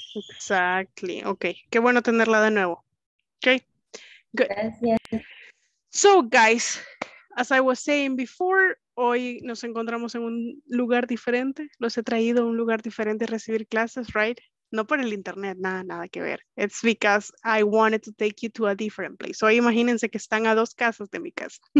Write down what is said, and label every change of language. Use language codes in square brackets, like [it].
[es] Exactly, ok. Qué bueno tenerla de nuevo. Ok. [en] Good. Gracias. So, guys, as I was saying before, [es] hoy nos encontramos en un lugar diferente. Los he traído a un lugar diferente a recibir clases, right? No por el internet, nada que ver. [en] It's because I wanted to take you to a different place. [es] Hoy imagínense que están a 2 casas de mi casa.